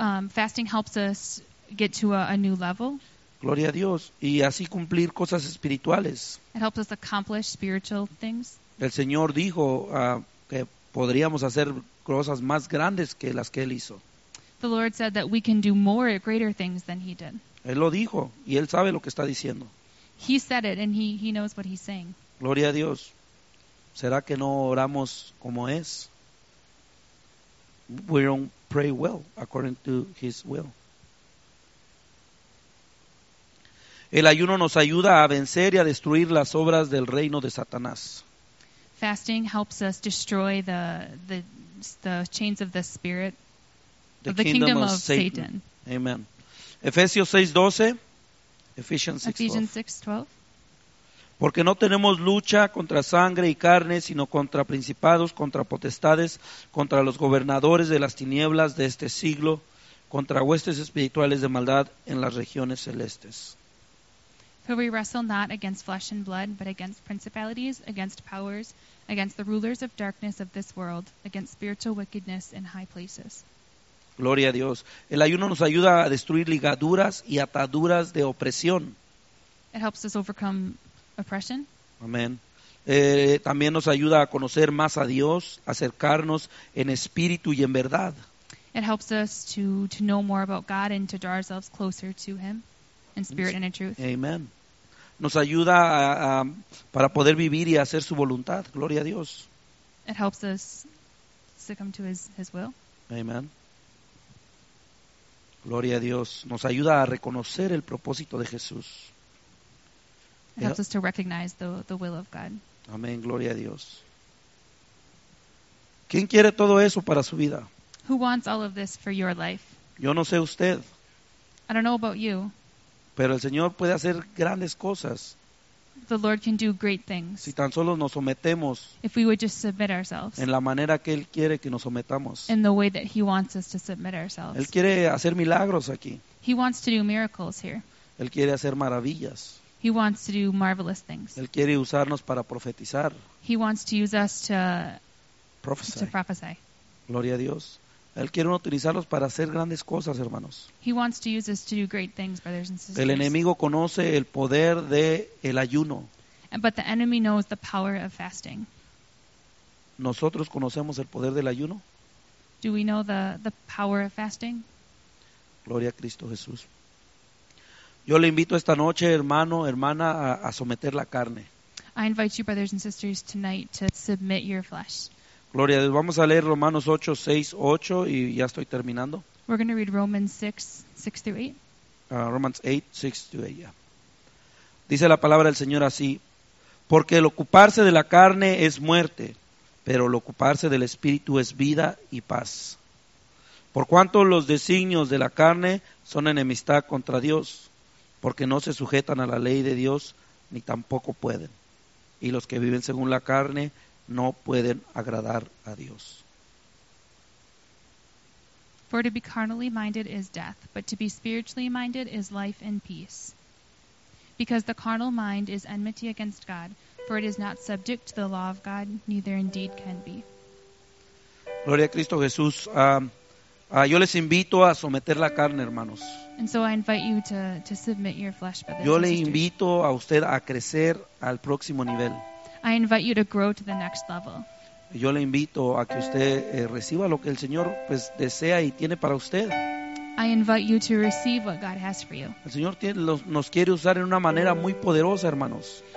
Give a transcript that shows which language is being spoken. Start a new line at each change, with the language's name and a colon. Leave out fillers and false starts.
English: Fasting helps us get to a new level.
Spanish: Gloria a Dios. Y así cumplir cosas espirituales.
English: It helps us accomplish spiritual things.
Spanish: El Señor dijo que podríamos hacer cosas más grandes que las que Él hizo.
English: The Lord said that we can do more, greater things than He did.
Spanish: Él lo dijo, y Él sabe lo que está diciendo.
English: He said it, and he knows what He's saying.
Spanish: Gloria a Dios. ¿Será que no oramos como es?
English: We don't pray well, according to His will.
Spanish: El ayuno nos ayuda a vencer y a destruir las obras del reino de Satanás.
English: Fasting helps us destroy the chains of the spirit, the kingdom of Satan. Amen. Ephesians 6:12.
Spanish: Porque no tenemos lucha contra sangre y carne, sino contra principados, contra potestades, contra los gobernadores de las tinieblas de este siglo, contra huestes espirituales de maldad en las regiones celestes.
English: For we wrestle not against flesh and blood, but against principalities, against powers, against the rulers of darkness of this world, against spiritual wickedness in high places.
Spanish: Gloria a Dios. El ayuno nos ayuda a destruir ligaduras y ataduras de opresión.
English: It helps us overcome oppression.
Spanish: Amén. También nos ayuda a conocer más a Dios, acercarnos en espíritu y en verdad.
English: It helps us to know more about God and to draw ourselves closer to Him. In spirit and in truth. Amen.
Spanish: nos ayuda a para poder vivir y hacer su voluntad. Gloria a Dios.
English: It helps us succumb to his will. Amen.
Spanish: Gloria a Dios. Nos ayuda a reconocer el propósito de Jesús.
English: It helps us to recognize the will of God.
Spanish: Amén. Gloria a Dios. ¿Quién quiere todo eso para su vida?
English: Who wants all of this for your life?
Spanish: Yo no sé usted.
English: I don't know about you.
Spanish: Pero el Señor puede hacer grandes cosas.
English: The Lord can do great things.
Spanish: Si tan solo nos sometemos.
English: If we would just submit ourselves.
Spanish: En la manera que Él quiere que nos sometamos.
English: In the way that He wants us to submit ourselves.
Spanish: Él quiere hacer milagros aquí.
English: He wants to do miracles here.
Spanish: Él quiere hacer maravillas.
English: He wants to do marvelous things.
Spanish: Él quiere usarnos para profetizar.
English: He wants to use us to prophesy. To prophesy.
Spanish: Gloria a Dios. Él quiere utilizarlos para hacer grandes cosas, hermanos.
English: He wants to use us to do great things, brothers and sisters.
Spanish: El enemigo conoce el poder del ayuno.
English: But the enemy knows the power of fasting.
Spanish: ¿Nosotros conocemos el poder del ayuno?
English: Do we know the power of fasting?
Spanish: Gloria a Cristo Jesús. Yo le invito esta noche, hermano, hermana, a someter la carne.
English: I invite you, brothers and sisters, tonight to submit your flesh.
Spanish: Gloria a Dios. Vamos a leer Romanos 8, 6, 8 y ya estoy terminando.
English: We're going to read Romans 6, 6-8. Romans 8, 6-8.
Spanish: Dice la palabra del Señor así: porque el ocuparse de la carne es muerte, pero el ocuparse del Espíritu es vida y paz. Por cuanto los designios de la carne son enemistad contra Dios, porque no se sujetan a la ley de Dios, ni tampoco pueden. Y los que viven según la carne no pueden agradar a Dios.
English: For to be carnally minded is death, but to be spiritually minded is life and peace. Because the carnal mind is enmity against God, for it is not subject to the law of God, neither indeed can be.
Spanish: Gloria a Cristo Jesús. Yo les invito a someter la carne, hermanos.
English: And so I invite you to submit your flesh, brothers.
Spanish: Yo le invito a usted a crecer al próximo nivel.
English: I invite you to grow to the next level.
Spanish: Yo le invito a que usted reciba lo que el Señor pues desea y tiene para usted.
English: I invite you to receive what God has for you.
Spanish: El Señor nos quiere usar en una manera muy poderosa, hermanos.